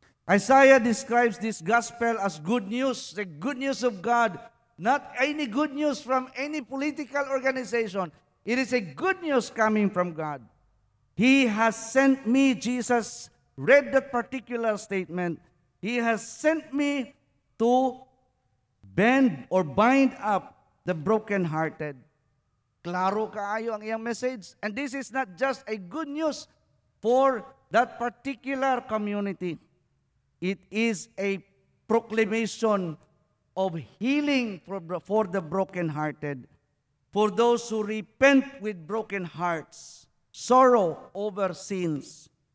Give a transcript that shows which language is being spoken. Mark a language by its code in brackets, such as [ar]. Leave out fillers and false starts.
[en] Isaiah describes this gospel as good news, the good news of God, not any good news from any political organization. It is a good news coming from God. He has sent me, Jesus read that particular statement. He has sent me to bend or bind up the brokenhearted. [ceb] Klaro kaayo ang iyang message. [en] And this is not just a good news for that particular community. It is a proclamation of healing for the brokenhearted, for those who repent with broken hearts, sorrow over sins.